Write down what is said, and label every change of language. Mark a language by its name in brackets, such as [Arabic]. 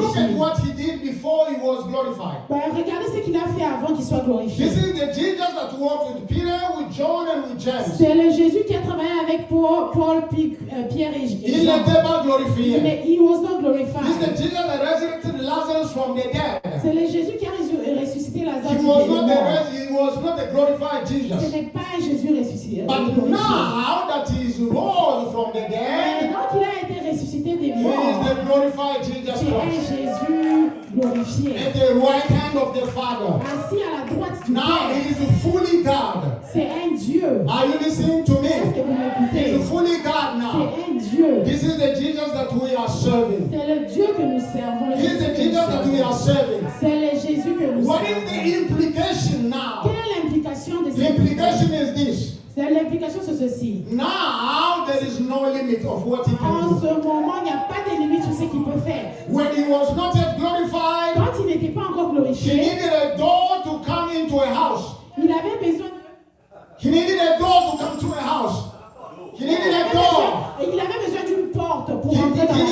[English] But look at what he did before he was glorified. [French] Ben, regardez ce qu'il a fait avant qu'il soit glorifié. [English] This is the Jesus that worked with Peter, with John, and with James. [French] C'est le Jésus qui a travaillé avec Paul, Pierre et Jean. Il n'était pas glorifié. [English] Mais he was not glorified. This is the Jesus that resurrected Lazarus from the dead. [French] C'est le Jésus qui a ressuscité Lazare. [English] He was not a glorified Jesus. [French] Ce n'est pas un Jésus ressuscité. [English] But now that he is rose from the dead, [French] maintenant qu'il a été ressuscité des morts, [English] he is the glorified Jesus Christ. [French] C'est un Jésus glorifié. [English] At the right hand of the Father. [French] Assis à la droite du [English] now [French] Père. [English] Now he is fully God. [French] C'est un Dieu. [English] Are you listening to me? [French] Est-ce que vous m'écoutez? [English] He is fully God now. [French] C'est un Dieu. [English] This is the Jesus that we are serving. [French] C'est le Dieu que nous servons. [English] He is the Jesus that we are serving. [French] C'est le Jésus que nous [English] what [French] servons. [English] What is the implication now? [French] Quelle est l'implication de ça? [English] Implication is this. [French] C'est l'implication sur ceci. [English] Now there is no limit of what he can do. [French] En ce moment, il n'y a pas de limite sur ce qu'il peut faire. [English] When he was not yet glorified, [French] quand il n'était pas encore glorifié, [English] he needed a door to come into a house. [French] Il avait besoin. [English] He needed a door to come to a house. He needed a door. [French] Il avait besoin d'une porte pour entrer dans la maison.